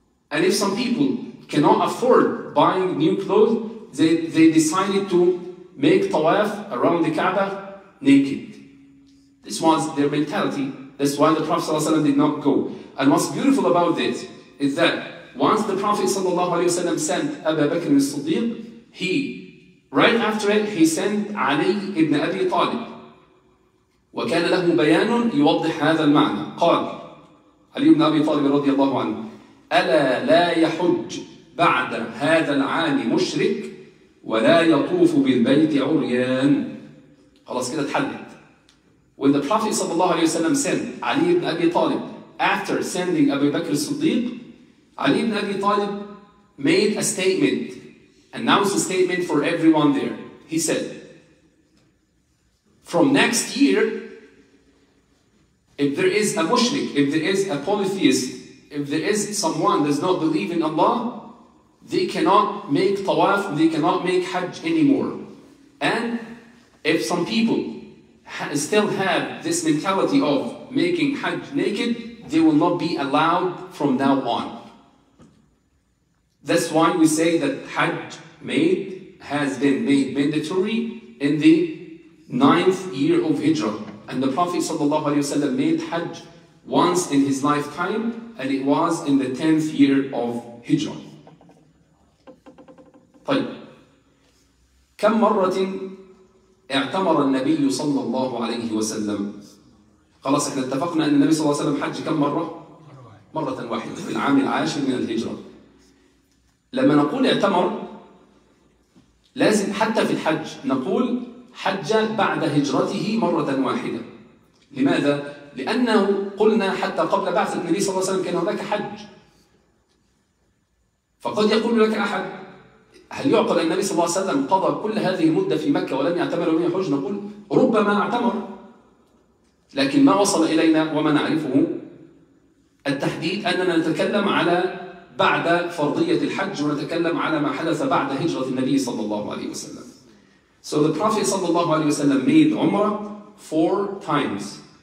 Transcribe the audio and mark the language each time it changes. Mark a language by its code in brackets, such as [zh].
[en] And if some people cannot afford buying new clothes, they decided to make tawaf around the Kaaba naked. This was their mentality. That's why the Prophet ﷺ did not go. And what's beautiful about this is that once the Prophet ﷺ sent Abu Bakr as-Siddiq, he Right after it, he sent Ali ibn Abi Talib. [ar] وكان له بيان يوضح هذا المعنى. قال علي بن أبي طالب رضي الله عنه: ألا لا يحج بعد هذا العام مشرك ولا يطوف بالبيت عريان. خلاص كده اتحلت. [en] When the Prophet [ar] صلى الله عليه وسلم [en] sent علي بن أبي طالب after sending أبي بكر الصديق, علي بن أبي طالب made a statement, announced a statement for everyone there. He said, from next year, if there is a mushrik, if there is a polytheist, if there is someone that does not believe in Allah, they cannot make tawaf, they cannot make hajj anymore. And if some people still have this mentality of making hajj naked, they will not be allowed from now on. That's why we say that hajj made has been made mandatory in the 9th year of Hijrah. And the Prophet ﷺ made Hajj once in his lifetime, and it was in the 10th year of Hijrah. [ar] طيب. كم مرة اعتمر النبي صلى الله عليه وسلم؟ خلاص احنا اتفقنا ان النبي صلى الله عليه وسلم حج كم مرة؟ مرة واحدة في العام العاشر من الهجرة. لما نقول اعتمر لازم حتى في الحج نقول حج بعد هجرته مرة واحدة. لماذا؟ لأنه قلنا حتى قبل بعث النبي صلى الله عليه وسلم كان هناك حج. فقد يقول لك أحد: هل يعقل النبي صلى الله عليه وسلم قضى كل هذه المدة في مكة ولم يعتمر ولم يحج؟ نقول ربما اعتمر، لكن ما وصل إلينا وما نعرفه التحديد أننا نتكلم على بعد فرضية الحج، ونتكلم على ما حدث بعد هجرة النبي صلى الله عليه وسلم. [en] So the Prophet sallallahu alayhi wa sallam made Umrah four times.